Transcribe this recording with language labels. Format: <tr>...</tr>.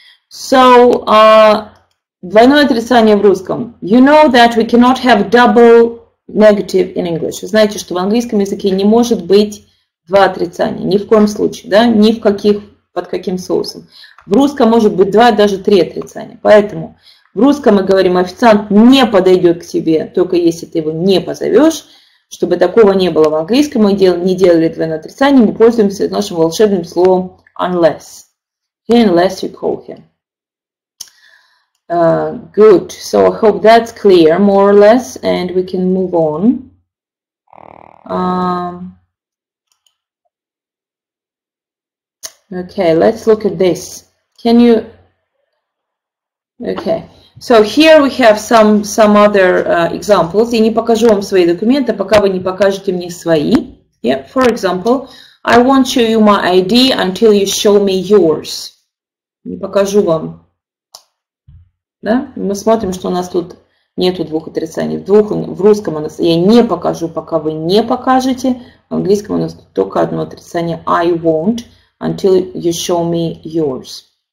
<ru>So, двойное отрицание в русском.</ru> <en>You know that we cannot have double negative in English.</en> <ru>Вы знаете, что в английском языке не может быть два отрицания. Ни в коем случае, да? Ни в каких, под каким соусом. В русском может быть два, даже три отрицания. Поэтому в русском мы говорим, официант не подойдет к тебе, только если ты его не позовешь. Чтобы такого не было в английском, мы не делали двойное отрицание, мы пользуемся нашим волшебным словом unless.</ru> <en>Unless you call him. Good. So I hope that's clear, more or less, and we can move on. Okay, let's look at this. Can you... Okay. So here we have some other examples.</en> <ru>Я не покажу вам свои документы, пока вы не покажете мне свои.</ru> <en>Yeah, for example, I won't show you my ID until you show me yours.</en> <ru>Не покажу вам. Да? Мы смотрим, что у нас тут нету двух отрицаний. В русском у нас я не покажу, пока вы не покажете. В английском у нас тут только одно отрицание.</ru> <en>I won't until you show me yours.</en>